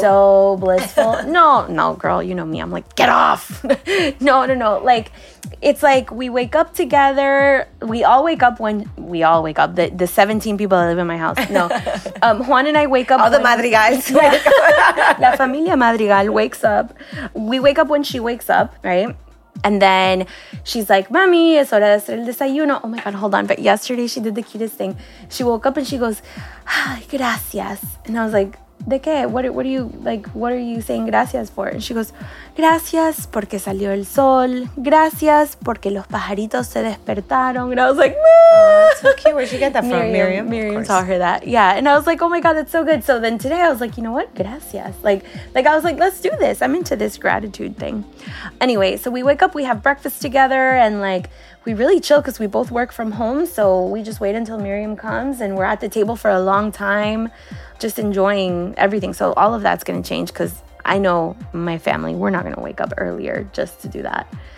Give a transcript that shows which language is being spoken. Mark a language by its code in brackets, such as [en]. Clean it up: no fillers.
[en] So blissful. No, girl, you know me. I'm like, get off. No. Like, it's like we wake up together. We all wake up. The 17 people that live in my house. No. Juan and I wake up. All the Madrigals. [es] La familia [en] Madrigal wakes up. We wake up when she wakes up, right? And then she's like, [es] mami, es hora de hacer el desayuno. [en] Oh my God, hold on. But yesterday she did the cutest thing. She woke up and she goes, [es] ay, gracias. [en] And I was like, [es] de qué? [en] What are you saying gracias for? [es] And she goes, gracias porque salió el sol. Gracias porque los pajaritos se despertaron. [en] And I was like, no. That's so cute. Where'd she get that from? Miriam? Miriam taught her that. Yeah. And I was like, oh my God, that's so good. So then today I was like, you know what? [es] Gracias. [en] Like I was like, let's do this. I'm into this gratitude thing. Anyway, so we wake up, we have breakfast together, and like we really chill because we both work from home. So we just wait until Miriam comes and we're at the table for a long time, just enjoying everything. So all of that's going to change because I know my family, we're not going to wake up earlier just to do that.